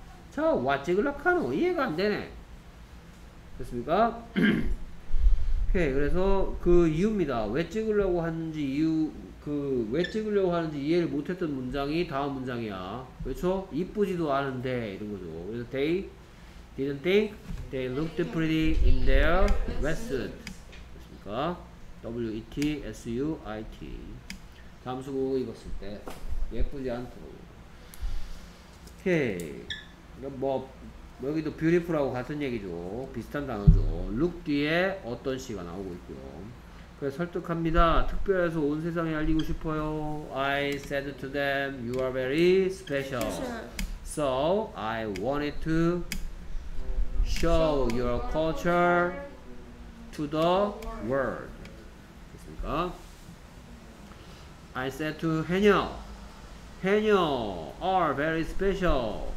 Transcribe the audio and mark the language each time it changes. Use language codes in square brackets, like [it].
[ko] 자, 와찌글라카노 이해가 안 되네. 됐습니까? 오케이, 그래서 그 이유입니다. 왜 찍으려고 하는지 이유, 그 왜 찍으려고 하는지 이해를 못했던 문장이 다음 문장이야. 그렇죠? 이쁘지도 않은데 이런 거죠. 그래서 [en] they didn't think they looked pretty in their red suit. [ko] 됐습니까? [en] WETSUIT. [ko] 잠수부 입었을 때 예쁘지 않도록. 오케이. 뭐 여기도 beautiful하고 같은 얘기죠. 비슷한 단어죠. look 뒤에 어떤 시가 나오고 있고요. 그래서 설득합니다. 특별해서 온 세상에 알리고 싶어요. [en] I said to them you are very special. So I wanted to show your culture to the world. [ko] 됐습니까? [en] I said to 해녀 해녀 are very special.